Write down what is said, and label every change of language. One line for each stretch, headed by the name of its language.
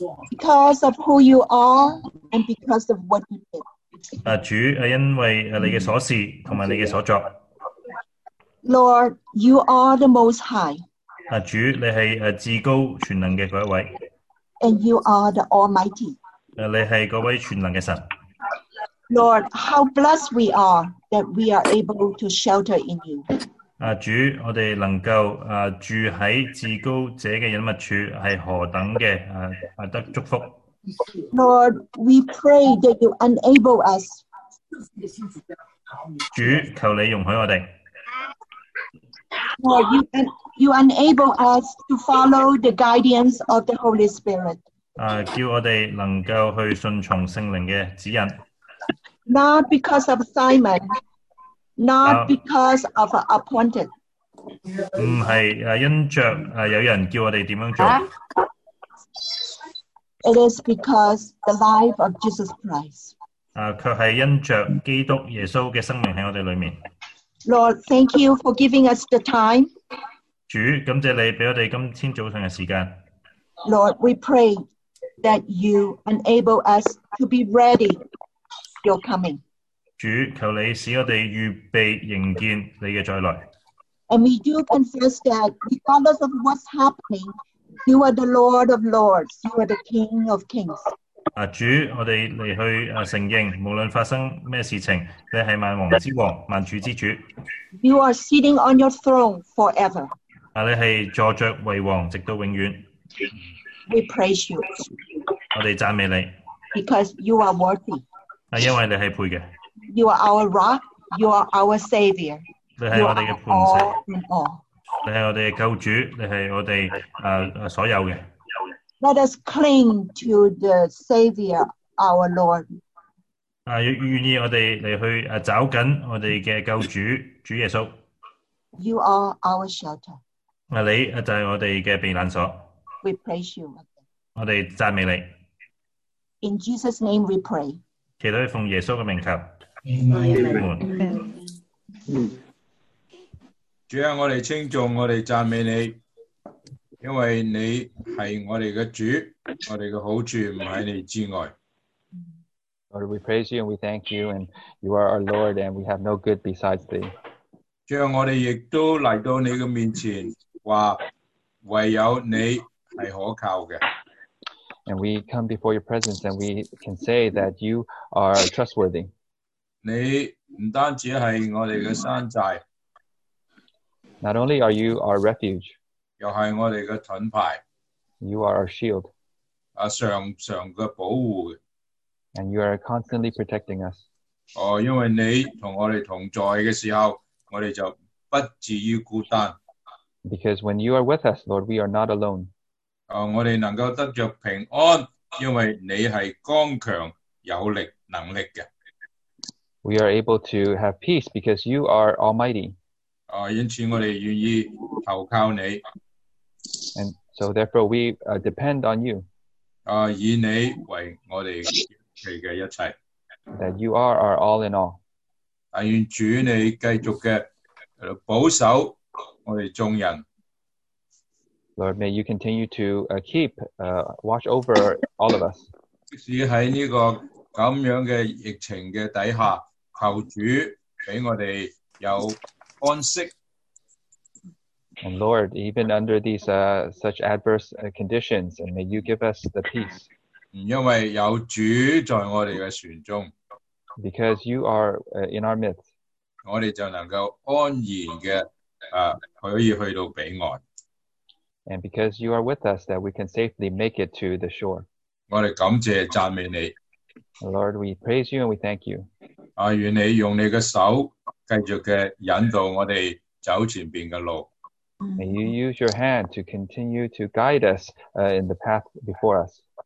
English: Because of who you are and because of what you did.
Chinese: 主，因为你嘅所事同埋你嘅所作。
English: Lord, you are the Most High.
Chinese: 主，你是至高全能的那一位。
English: And you are the Almighty.
Chinese: 你是那位全能的神。
English: Lord, how blessed we are that we are able to shelter in you.
Chinese: 主，我们能够住在至高者的隐密处是何等的得祝福。
English: Lord, we pray that you enable us.
Chinese: 主，求你容许我们。
English: Lord, you enable us to follow the guidance of the Holy Spirit.
Chinese: 叫我们能够去顺从圣灵的指引。
English: Not because of Simon, not because of appointed.
Chinese: 不是因着有人叫我们怎样做。
English: It is because the life of Jesus Christ.
Chinese: 却是因着基督耶稣的生命在我们里面。
English: Lord, thank you for giving us the time.
Chinese: 主，感谢你给我们今天早上的时间。
English: Lord, we pray that you enable us to be ready for your coming.
Chinese: 主，求你使我们预备迎接你的再来。
English: And we do confess that regardless of what's happening, you are the Lord of Lords, you are the King of Kings.
Chinese: 主，我们来去承认，无论发生什么事情，你是万王之王，万主之主。
English: You are sitting on your throne forever.
Chinese: 你是坐着为王，直到永远。
English: We praise you.
Chinese: 我们赞美你。
English: Because you are worthy.
Chinese: 因为你是配的。
English: You are our rock, you are our savior.
Chinese: 你是我们的磐石。
English: You are all in all.
Chinese: 你是我们的救主，你是我们所有的。
English: Let us cling to the Savior, our Lord.
Chinese: 愿意我们来去找紧我们的救主，主耶稣。
English: You are our shelter.
Chinese: 你就是我们的避难所。
English: We praise you.
Chinese: 我们赞美你。
English: In Jesus' name we pray.
Chinese: 祈祷奉耶稣的名求。
English: Amen.
Chinese: 主啊，我们称颂，我们赞美你。因为你是我们的主，我们的好处不在你之外。
English: Lord, we praise you and we thank you, and you are our Lord, and we have no good besides thee.
Chinese: 主，我们也都来到你的面前，说唯有你是可靠的。
English: And we come before your presence, and we can say that you are trustworthy.
Chinese: 你不单只是我们的山寨。
English: Not only are you our refuge,
Chinese: 又是我们的盾牌。
English: You are our shield.
Chinese: 常常的保护。
English: And you are constantly protecting us.
Chinese: 因为你同我们同在的时候，我们就不至于孤单。
English: Because when you are with us, Lord, we are not alone.
Chinese: 我们能够得着平安，因为你是刚强、有力、能力的。
English: We are able to have peace because you are almighty.
Chinese: 因此我们愿意投靠你。
English: And so therefore we depend on you.
Chinese: 以你为我们的一切。
English: That you are our all in all.
Chinese: 愿主你继续的保守我们众人。
English: Lord, may you continue to keep, watch over all of us.
Chinese: 即使在这个这样的疫情的底下，求主给我们有安息。
English: And Lord, even under these such adverse conditions, and may you give us the peace.
Chinese: 因为有主在我们的船中。
English: Because you are in our midst.
Chinese: 我们就能够安然的可以去到彼岸。
English: And because you are with us, that we can safely make it to the shore.
Chinese: 我们感谢赞美你。
English: Lord, we praise you and we thank you.
Chinese: 愿你用你的手继续的引导我们走前面的路。
English: May you use your hand to continue to guide us in the path before us.